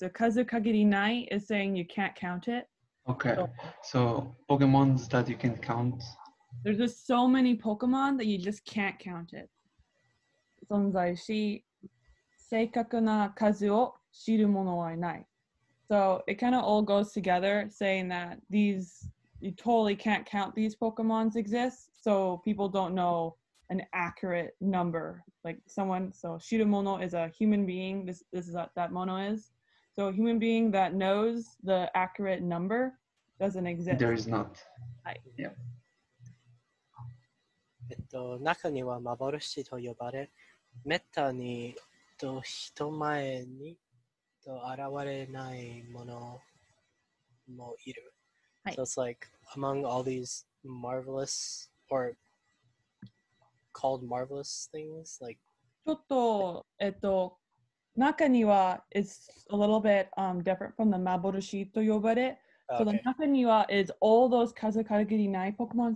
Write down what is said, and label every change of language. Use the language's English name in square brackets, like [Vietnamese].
[English] So, kazu kagiri nai is saying you can't count it. Okay. So, Pokemons that you can count? There's just so many Pokemon that you just can't count it. [Japanese] 存在し、正確な数を知る者はいない。 [English] So, it kind of all goes together, saying that these... You totally can't count these Pokemons exist, so people don't know an accurate number. Like someone, so Shirumono is a human being, this is what that mono is. So a human being that knows the accurate number doesn't exist. There is not. [Japanese] はい。 [English] Yeah. [Japanese] 中には幻と呼ばれ、滅多に人前に現れないものもいる。 [English] So it's like among all these marvelous or called marvelous things, like. [Japanese] ちょっと中には [English] is a little bit different from the [Japanese] 幻と呼ばれ。 [English] So the 中には is all those [Japanese] 数限りない [English] Pokemon.